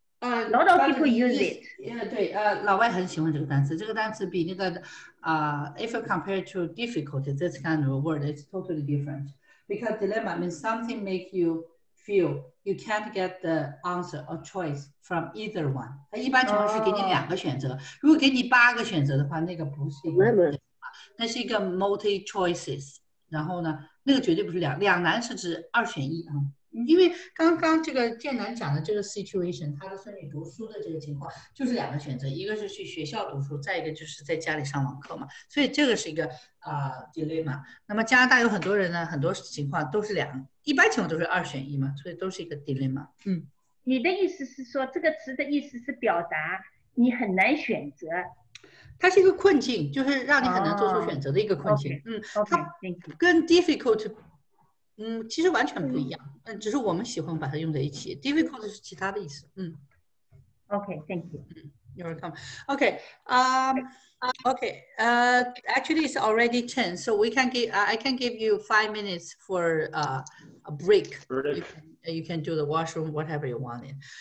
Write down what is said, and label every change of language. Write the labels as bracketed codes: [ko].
[en] A lot of people use it. Yeah, [zh] 对，老外很喜欢这个单词。这个单词比那个 [en] if compared to difficulty, this kind of a word, it's totally different. Because dilemma means something make you feel you can't get the answer or choice from either one. [zh] 它一般情况是给你两个选择。如果给你八个选择的话，那个不是。那是一个 multi choices， 然后呢，那个绝对不是两难是指二选一啊。因为刚刚这个建南讲的这个 situation， 他的孙女读书的这个情况，就是两个选择，一个是去学校读书，再一个就是在家里上网课嘛。所以这个是一个dilemma。那么加拿大有很多人呢，很多情况都是两，一般情况都是二选一嘛，所以都是一个 dilemma。你的意思是说，这个词的意思是表达你很难选择。它是一个困境，就是让你很难做出选择的一个困境。 [en] Okay, [zh] 它跟 difficult， 其实完全不一样。只是我们喜欢把它用在一起。 Difficult 是其他的意思。 [en] Okay, thank you. You're welcome. Okay. Actually, it's already 10, so we can give. I can give you 5 minutes for a break. You can do the washroom, whatever you want in.